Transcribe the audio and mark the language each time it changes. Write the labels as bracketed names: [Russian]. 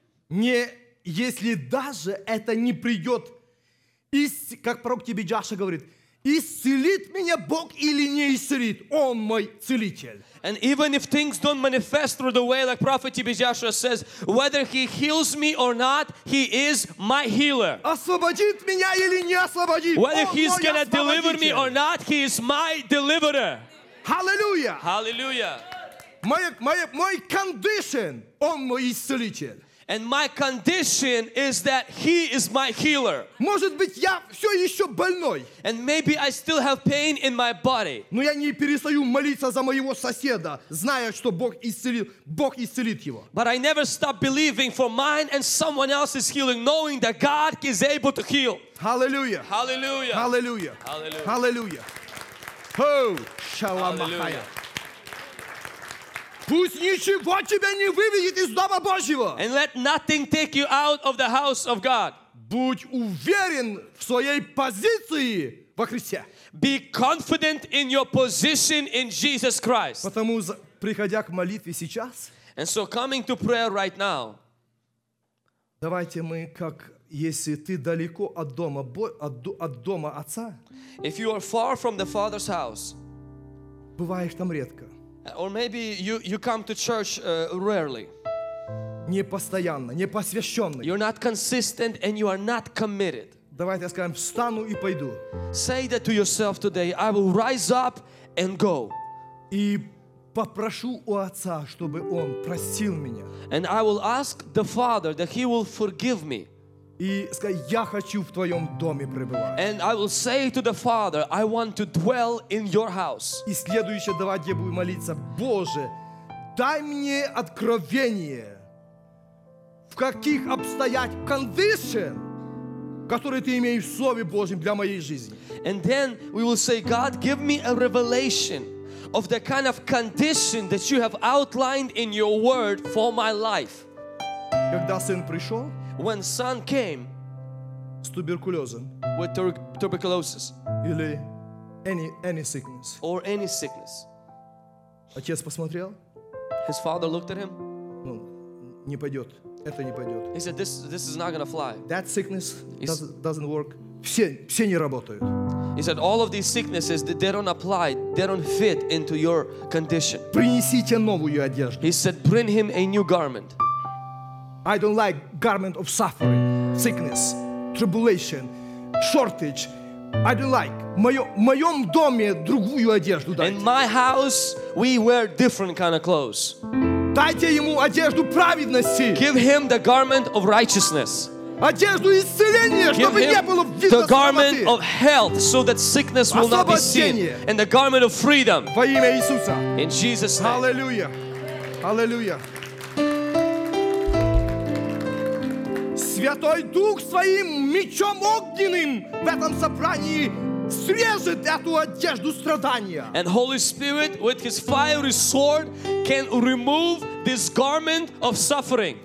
[Russian] Не, если даже это не придет, как пророк тебе Джаша говорит, исцелит меня Бог или не исцелит, Он мой целитель. [English] And even if things don't manifest through the way, like Prophet TB Joshua says, whether he heals me or not, he is my healer. [Russian] Освободит меня или не освободит, [English] whether he's going to deliver me or not, he is my deliverer. Hallelujah! Hallelujah! My condition, [Russian] Он мой исцелитель. [English] And my condition is that He is my healer. [Russian] Может быть, я все еще больной. [English] And maybe I still have pain in my body. [Russian] Но я не перестаю молиться за моего соседа, зная, что Бог исцелит его. [English] But I never stop believing for mine and someone else's healing, knowing that God is able to heal. Hallelujah! Hallelujah! Hallelujah! Hallelujah! Hallelujah. Ho, Shalamahaya. [Russian] Пусть ничего тебя не выведет из дома Божьего. [English] And let nothing take you out of the house of God. [Russian] Будь уверен в своей позиции во Христе. [English] Be confident in your position in Jesus Christ. [Russian] Потому приходя к молитве сейчас. [English] And so coming to prayer right now. [Russian] Давайте мы как если ты далеко от дома, от дома отца. [English] If you are far from the Father's house. [Russian] Бываешь там редко. [English] Or maybe you come to church rarely. [Russian] Непостоянно, непосвященный. [English] You're not consistent and you are not committed. [Russian] Давайте скажем, встану и пойду. [English] Say that to yourself today, I will rise up and go. [Russian] И попрошу у отца, чтобы он простил меня. [English] And I will ask the Father that he will forgive me. [Russian] И сказать, я хочу в твоем доме пребывать. [English] And I will say to the Father, I want to dwell in your house. [Russian] И следующее, давайте я буду молиться, Боже, дай мне откровение, в каких обстоятельствах, condition, которые ты имеешь в Слове Божьем для моей жизни. [English] And then we will say, God, give me a revelation of the kind of condition that you have outlined in your word for my life. [Russian] Когда сын пришел, [English] when son came [Russian] с туберкулезом, [English] with tuberculosis или any sickness, or any sickness, [Russian] отец посмотрел, [English] his father looked at him, [Russian] ну, не пойдет, это не пойдет. [English] He said, this is not gonna fly. That sickness doesn't work. [Russian] Все не работают. [English] He said, all of these sicknesses, they don't apply, they don't fit into your condition. [Russian] Принесите новую одежду. [English] He said, bring him a new garment. I don't like garment of suffering, sickness, tribulation, shortage. I don't like. [Russian] В моем доме другую одежду дайте. [English] In my house, we wear different kind of clothes. [Russian] Дайте ему одежду праведности. [English] Give him the garment of righteousness. [Russian] Одежду исцеления, [English] Give [Russian] чтобы [English] him [Russian] не было видно [English] the garment of health, so that sickness will not be seen. And the garment of freedom. [Russian] Во имя Иисуса. [English] In Jesus' name. Hallelujah. Hallelujah. [Russian] Святой Дух своим мечом огненным в этом собрании срежет эту одежду страдания. [English] And Holy Spirit with his fiery sword can remove this garment of suffering.